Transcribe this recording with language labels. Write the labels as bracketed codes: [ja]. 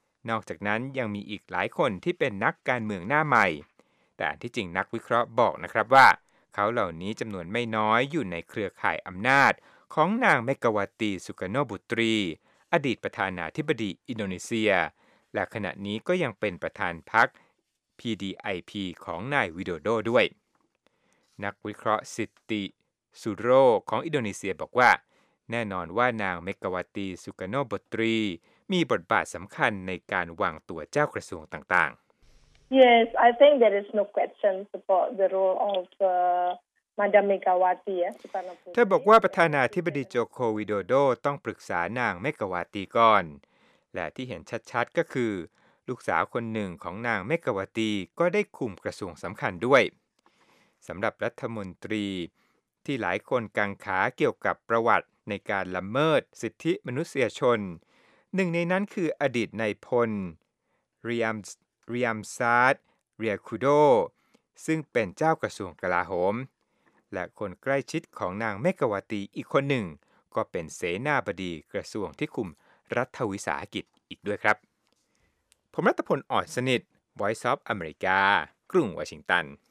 [th] นอกจากนั้นยังมีอีกหลายคนที่เป็นนักการเมืองหน้าใหม่แต่ที่จริงนักวิเคราะห์บอกนะครับว่าเขาเหล่านี้จำนวนไม่น้อยอยู่ในเครือข่ายอำนาจของนางเมกาวาตีสุกาโนบุตรีอดีตประธานาธิบดีอินโดนีเซียและขณะนี้ก็ยังเป็นประธานพรรค PDIP ของนายวิโดโดด้วย นักวิเคราะห์สิทธิสุโรของอินโดนีเซียบอกว่าแน่นอนว่านางเมกาวาตีสุกาโนบุตรีมีบทบาทสำคัญในการวางตัวเจ้ากระทรวงต่าง [en] ๆ Yes, I think there is no question about the role of Madam Megawati. [th] เธอบอกว่าประธานาธิบดีโจโควิโดโดต้องปรึกษานางเมกาวาตีก่อนและที่เห็นชัดๆก็คือลูกสาวคนหนึ่งของนางเมกาวาตีก็ได้คุมกระทรวงสำคัญด้วย สำหรับรัฐมนตรีที่หลายคนกังขาเกี่ยวกับประวัติในการละเมิดสิทธิมนุษยชนหนึ่งในนั้นคืออดีตนายพลเรียมซาร์ดเรียคูโดซึ่งเป็นเจ้ากระทรวงกลาโหมและคนใกล้ชิดของนางเมกาวาตีอีกคนหนึ่งก็เป็นเสนาบดีกระทรวงที่คุมรัฐวิสาหกิจอีกด้วยครับผมรัฐพลอ่อนสนิท Voice of America กรุงวอชิงตัน